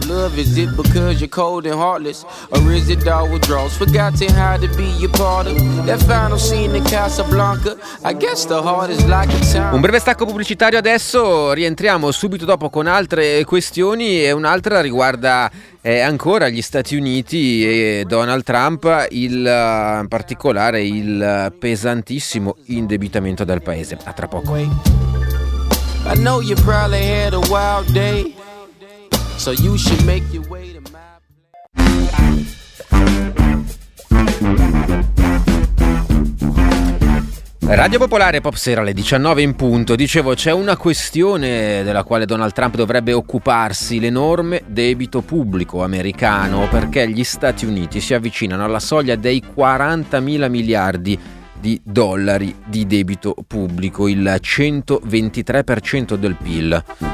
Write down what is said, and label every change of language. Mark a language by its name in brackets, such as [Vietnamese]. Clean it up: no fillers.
[Italian] Un breve stacco pubblicitario adesso, rientriamo subito dopo con altre questioni, e un'altra riguarda ancora gli Stati Uniti e Donald Trump, in particolare il pesantissimo indebitamento del paese. A tra poco. [English] I know you probably had a wild day, so you should make your way to my Radio Popolare Pop Sera, [Italian] alle 19 in punto. Dicevo, c'è una questione della quale Donald Trump dovrebbe occuparsi: l'enorme debito pubblico americano, perché gli Stati Uniti si avvicinano alla soglia dei 40.000 miliardi di dollari di debito pubblico, il 123% del PIL.